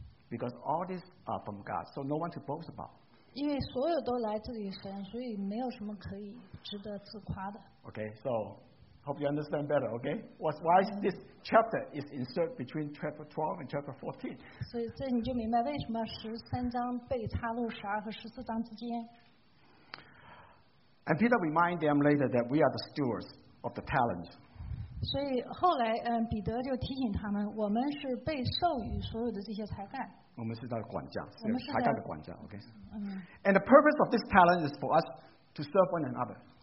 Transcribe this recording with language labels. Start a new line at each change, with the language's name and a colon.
English: Because all these are from God, so no one to boast about.
Chinese: 因为所有都来自于神，所以没有什么可以值得自夸的。
English: Okay, so hope you understand better, okay? What's why this chapter is inserted between chapter 12 and chapter 14.
Chinese: 所以这你就明白为什么13章被插入12和14章之间。
English: And Peter reminded them later that we are the stewards of the talent.
Chinese: 所以后来彼得就提醒他们，我们是被授予所有的这些才干。我们是他的管家，才干的管家, okay?
English: And the purpose of this talent is for us to serve one another.